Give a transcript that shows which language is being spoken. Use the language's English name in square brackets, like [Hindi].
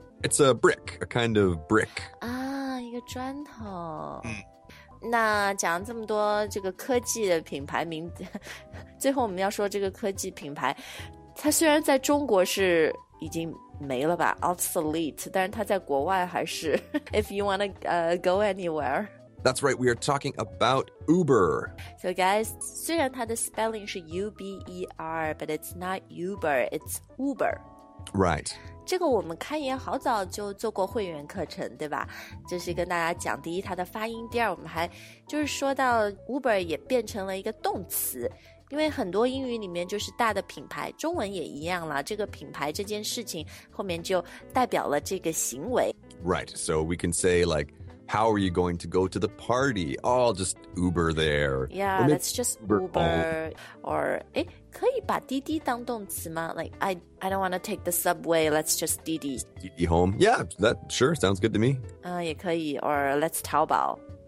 [English] It's a brick, a kind of brick [Chinese] 啊、一个砖头、那讲这么多这个科技的品牌名字最后我们要说这个科技品牌它虽然在中国是已经没了吧 obsolete 但是它在国外还是 [English] if you want to、go anywhere That's right, we are talking about Uber So guys, [Chinese] 虽然它的 [English] spelling 是 U-B-E-R but it's not Uber, it's Uber Right. [Chinese] 这个我们开言好早就做过会员课程对吧就是跟大家讲第一它的发音第二我们还就是说到 Uber 也变成了一个动词因为很多英语里面就是大的品牌中文也一样了这个品牌这件事情后面就代表了这个行为 [English] Right, so we can say like How are you going to go to the party? Oh, just Uber there. Yeah, that's just Uber. Or, [Chinese] 诶可以把滴滴当动词吗 [English] Like, I don't want to take the subway. Let's just 滴滴滴滴 home. Yeah, that sure sounds good to me. [Chinese] 也可以 [English] Or let's 淘宝